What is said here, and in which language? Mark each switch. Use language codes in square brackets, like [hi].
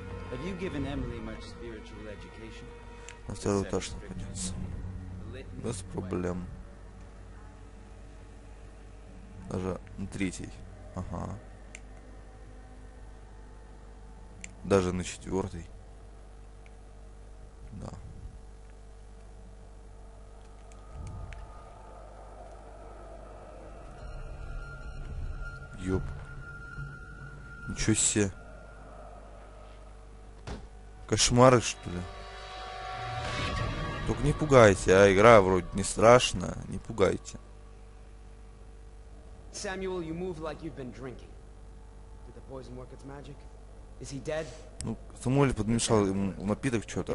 [en] Have you given Emily much spiritual education? [ru] На второй этаж находится. Без проблем. Даже на третий. Ага. Даже на четвертый. Да. Ёб. Ничего себе. Кошмары, что ли? Только не пугайте, а игра вроде не страшная, не пугайте. [en] Samuel, you move like you've been drinking. Did the poison work its magic? Is he dead? [ru] Ну, Самуэль подмешал ему в напиток что-то.